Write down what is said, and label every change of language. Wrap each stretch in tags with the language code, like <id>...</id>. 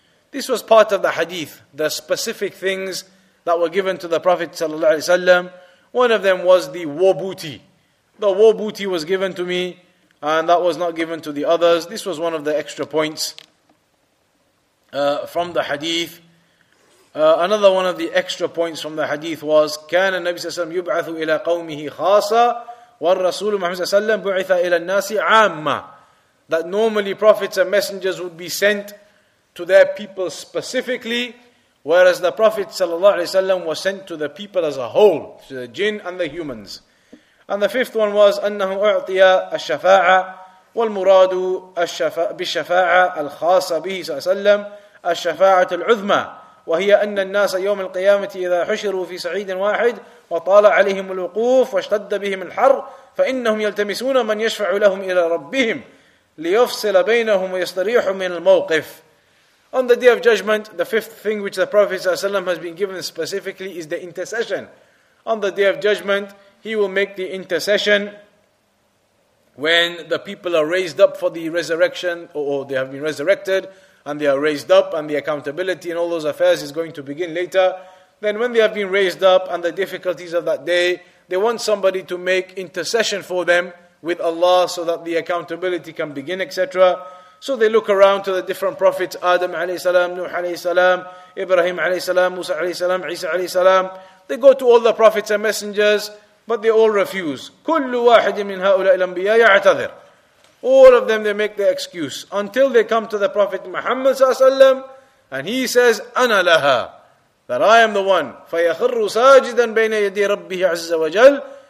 <en>This was part of the hadith, the specific things that were given to the Prophet ﷺ. One of them was the war booty. The war booty was given to me, and that was not given to the others. This was one of the extra points from the hadith. Another one of the extra points from the hadith was,</en> <ar>كان النبي صلى الله عليه وسلم يبعث إلى قومه خاصة والرسول محمد صلى الله عليه وسلم بعث إلى الناس عامة.</ar> <en>That normally prophets and messengers would be sent to their people specifically, whereas the Prophet ﷺ was sent to the people as a whole, to the jinn and the humans. And the fifth one was,</en> <ar>أَنَّهُ أُعْطِيَ الشَّفَاعَةَ والمراد بالشفاعة الخاصة به صلى الله عليه وسلم الشفاعة العظمى وهي أن الناس يوم القيامة إذا حشروا في صعيد واحد وطال عليهم الوقوف واشتد بهم الحر فإنهم يلتمسون من يشفع لهم إلى ربهم ليفصل بينهم ويستريح من الموقف.</ar> <en>On the day of judgment, the fifth thing which the Prophet ﷺ has been given specifically is the intercession. On the day of judgment, he will make the intercession when the people are raised up for the resurrection, or they have been resurrected, and they are raised up, and the accountability and all those affairs is going to begin later. Then when they have been raised up, and the difficulties of that day, they want somebody to make intercession for them with Allah, so that the accountability can begin, etc. So they look around to the different prophets, Adam alayhi salam, Nuh alayhi salam, Ibrahim alayhi salam, Musa alayhi salam, Isa alayhi salam. They go to all the prophets and messengers, but they all refuse.</en> <ar>كل واحد من هؤلاء الأنبياء يعتذر.</ar> <en>All of them, they make the excuse. Until they come to the Prophet Muhammad sallallahu alayhi wa sallam, and he says,</en> <ar>أنا لها,</ar> <en>that I am the one.</en> <ar>فيخر ساجدا بين يدي ربه عز وجل.</ar>